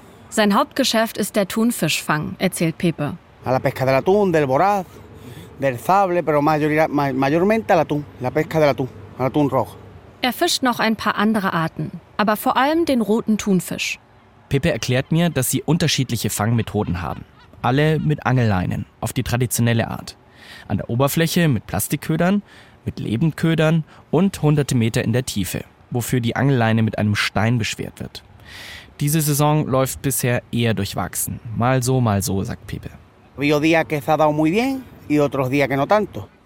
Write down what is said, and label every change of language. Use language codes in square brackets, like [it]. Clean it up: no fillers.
[de] Sein Hauptgeschäft ist der Thunfischfang, erzählt Pepe. [es] A la pesca del atún, del voraz, del sable, pero mayormente al atún, la pesca del atún. [de] Er fischt noch ein paar andere Arten, aber vor allem den roten Thunfisch. Pepe erklärt mir, dass sie unterschiedliche Fangmethoden haben. Alle mit Angelleinen, auf die traditionelle Art. An der Oberfläche mit Plastikködern, mit Lebendködern und hunderte Meter in der Tiefe, wofür die Angelleine mit einem Stein beschwert wird. Diese Saison läuft bisher eher durchwachsen. Mal so, sagt Pepe. [es] Había días que se ha dado muy bien y otros días que no tanto.